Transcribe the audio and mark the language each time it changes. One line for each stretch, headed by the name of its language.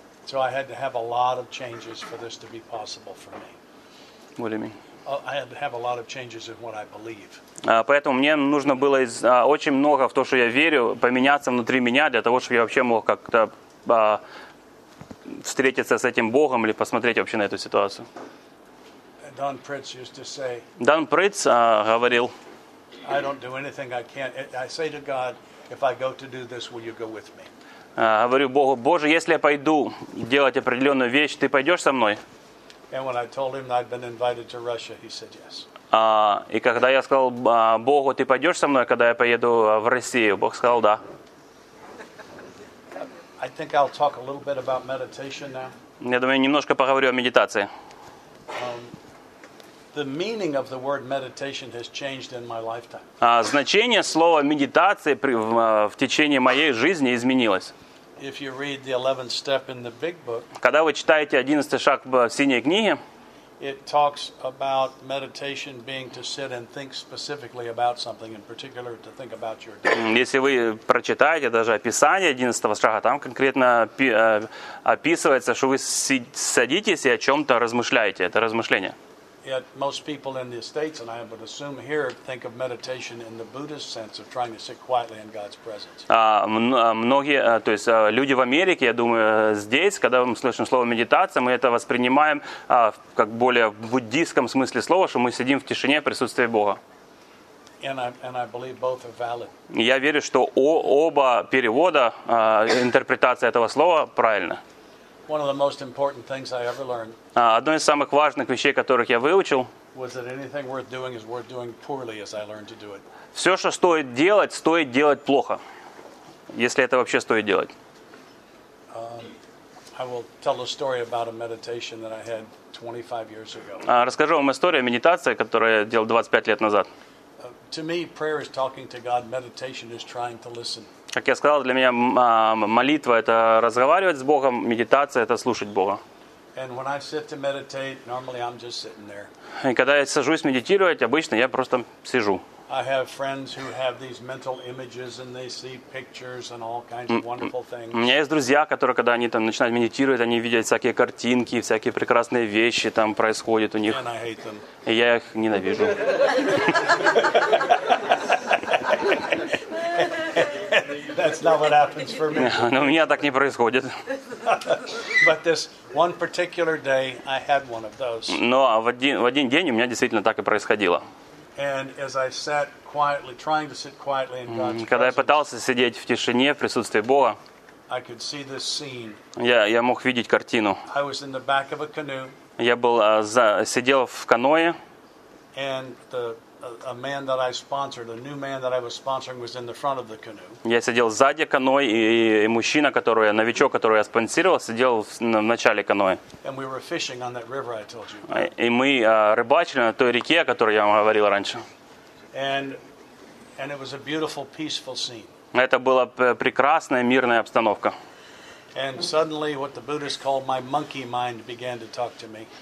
English: So I had to have a lot of changes for this to be possible for me. What do you mean? I had to have a lot of changes in what I believe.
Russian: Поэтому мне нужно было очень много в то, что я верю, поменяться внутри меня для того, чтобы я вообще мог как-то встретиться с этим Богом или посмотреть вообще на эту ситуацию.
English: Don Pritz used to say.
Russian: Дон Притц говорил.
English: I don't do anything I can't. I say to God, if I go to do this, will you go with me?
Russian: Говорю Богу: Боже, если я пойду делать определенную вещь, ты пойдешь со мной?
English: And when I told him I'd been invited to Russia, he said yes.
Russian: И когда я сказал Богу, ты пойдешь со мной, когда я поеду в Россию, Бог сказал да.
English: I think I'll talk a little bit about meditation now.
Russian: Я думаю, немножко поговорю о медитации.
English: The meaning of the word meditation has changed in my lifetime.
Russian: Значение слова медитации в течение моей жизни изменилось.
English: If you read the 11th step in the big book,
Russian: когда вы читаете 11 шаг в синей книге,
English: it talks about meditation being to sit and think specifically about something in particular, to think about your day.
Russian: Если вы прочитаете даже описание 11 шага, там конкретно описывается, что вы садитесь и о чем-то размышляете. Это размышление.
English: Yet most people in the States, and I would assume here, think of meditation in the Buddhist sense of trying to sit quietly in God's presence.
Russian: Многие, то есть люди в Америке, я думаю, здесь, когда мы слышим слово медитация, мы это воспринимаем как более в буддийском смысле слова, что мы сидим в тишине в присутствии Бога.
English: And I believe both are valid.
Russian: Я верю, что оба перевода, интерпретация этого слова правильна.
English: One of the most important things I ever learned.
Russian: Одно из самых важных вещей, которых я выучил.
English: Was that anything worth doing is worth doing poorly, as I learned to do it.
Russian: Все, что стоит делать плохо, если это вообще стоит делать.
English: I will tell a story about a meditation that I had 25 years ago.
Russian: Расскажу вам историю о медитации, которую я делал 25 лет назад.
English: To me, prayer is talking to God. Meditation is trying to listen.
Russian: Как я сказал, для меня молитва это разговаривать с Богом, медитация это слушать Бога.
English: And when I sit to meditate, normally I'm just sitting there.
Russian: И когда я сажусь медитировать, обычно я просто сижу.
English: I have friends who have these mental images and they see pictures and all kinds of wonderful things.
Russian: У меня есть друзья, которые когда они там начинают медитировать, они видят всякие картинки, всякие прекрасные вещи там происходят у них.
English: And I hate them.
Russian: И я их ненавижу.
English: That's not what happens for me.
Russian: Но у меня так не происходит.
English: But this one particular day I had one of those.
Russian: Но в один день у меня действительно так и происходило.
English: And as I sat quietly, trying to sit quietly in God's presence,
Russian: когда я пытался сидеть в тишине в присутствии Бога,
English: I could see this scene.
Russian: Я мог видеть картину.
English: I was in the back of a canoe.
Russian: Я был сидел в каноэ.
English: And a man that I sponsored, a new man that I was sponsoring, was in the front of the canoe.
Russian: Я сидел сзади каноэ, и мужчина, новичок, которого я спонсировал, сидел в начале каноэ.
English: And we were fishing on that river I told you about.
Russian: И мы рыбачили на той реке, о которой я вам говорил раньше.
English: And it was a beautiful, peaceful scene.
Russian: Это была прекрасная, мирная обстановка.
English: And suddenly, what the Buddhists called my monkey mind began to talk to me.